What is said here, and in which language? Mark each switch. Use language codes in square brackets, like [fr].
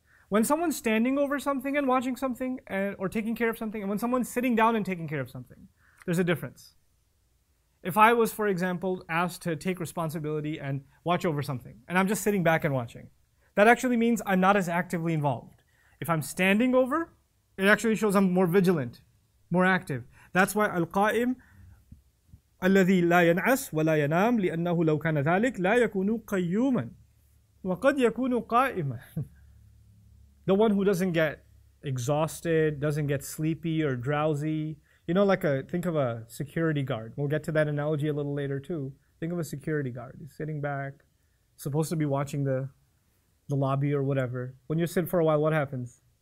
[en] When someone's standing over something and watching something or taking care of something, and when someone's sitting down and taking care of something, there's a difference. If I was, for example, asked to take responsibility and watch over something, and I'm just sitting back and watching, that actually means I'm not as actively involved. If I'm standing over, it actually shows I'm more vigilant, more active. That's why [ar] al-qa'im, الَّذِي لَا يَنْعَسْ وَلَا يَنَامْ لِأَنَّهُ لَوْ كَانَ ذَلِكْ لَا يَكُونُ قَيُّومًا وَقَدْ يَكُونُ قَائِمًا. [en] The one who doesn't get exhausted, doesn't get sleepy or drowsy. You know, think of a security guard. We'll get to that analogy a little later too. Think of a security guard. He's sitting back, supposed to be watching the lobby or whatever. When you sit for a while, what happens?